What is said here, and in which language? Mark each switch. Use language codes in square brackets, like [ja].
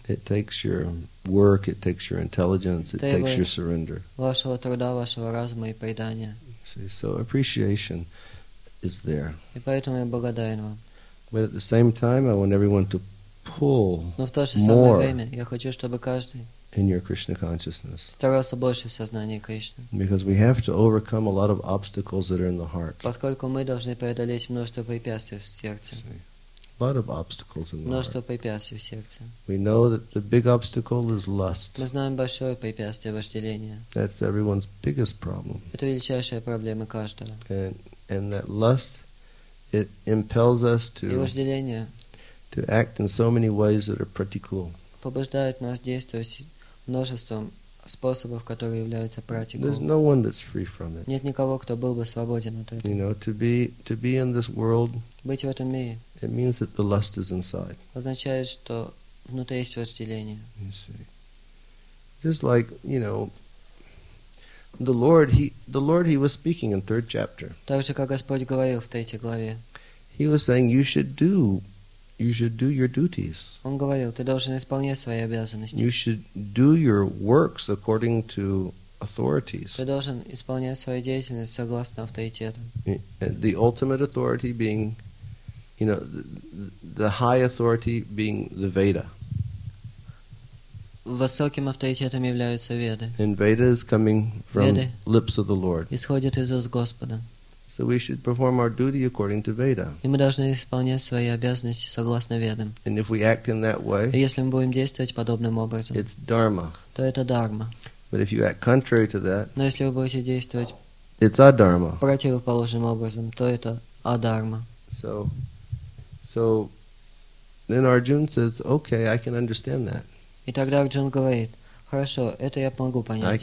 [en] It takes your work, it takes your intelligence, it takes your surrender. [ru] Вашего труда, вашего разума и предания. [en] So appreciation is there. [ru] И поэтому я благодарен вам. [en] But at the same time, I want everyone to pull more. [ru] Но в то же самое время я хочу, чтобы каждый. [en] In your Krishna consciousness. [ru] Старался больше в сознании Кришны. [en] Because we have to overcome a lot of obstacles that are in the heart. [ru] Поскольку мы должны преодолеть множество препятствий в сердце. [en] A lot of obstacles in the [ru] множество [en] heart. [ru] Множество препятствий в сердце. [en] We know that the big obstacle is lust. [ru] Мы знаем большое препятствие вожделение. [en] That's everyone's biggest problem. [ru] Это величайшая проблема каждого. [en] And that lust, it impels us to act in so many ways that are pratikul. [ru] Побуждает нас действовать множеством способов, которые являются практикой. [en] There's no one that's free from it. [ru] Нет никого, кто был бы свободен от этого. [en] You know, to be in this world. [ru] Быть в этом мире. [en] It means that the lust is inside. [ru] Означает, что внутри есть вожделение. [en] You see. Just like, you know, the Lord, he was speaking in 3rd chapter. [ru] Так же, как Господь говорил в 3 главе. [en] He was saying, you should do your duties. [ru] Он говорил, ты должен исполнять свои обязанности. [en] You should do your works according to authorities. [ru] Ты должен исполнять свою деятельность согласно авторитетам. [en] The ultimate authority being you know, the high authority being the Veda. [ru] Высоким авторитетом являются Веды. [en] And Veda is coming from Veda lips of the Lord. [ru] Исходит из уст Господа. [en] So we should perform our duty according to Veda. [ru] И мы должны исполнять свои обязанности согласно Ведам. [en] And if we act in that way, [ru] если мы будем действовать подобным образом, [en] it's dharma. [ru] То это дхарма. [en] But if you act contrary to that, [ru] но если вы будете действовать, [en] it's adharma. [ru] Противоположным образом, то это адхарма. [en] So then Arjun says, "Okay, I can understand that." [ru] И тогда Арджун говорит: "Хорошо, это я могу понять."